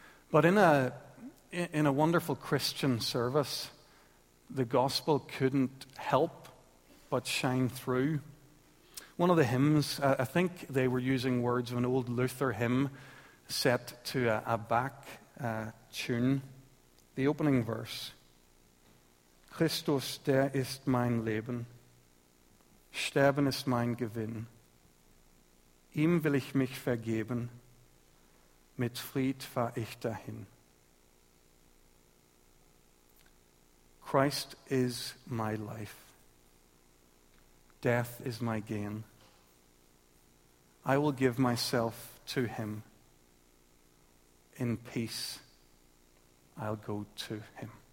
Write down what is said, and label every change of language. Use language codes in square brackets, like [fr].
[en] But in a wonderful Christian service, the gospel couldn't help but shine through. One of the hymns, I think they were using words of an old Luther hymn set to a Bach tune. The opening verse, [de] Christus, der ist mein Leben, sterben ist mein Gewinn, ihm will ich mich vergeben, mit Fried fahr ich dahin. [en] Christ is my life, death is my gain, I will give myself to him, in peace I'll go to him.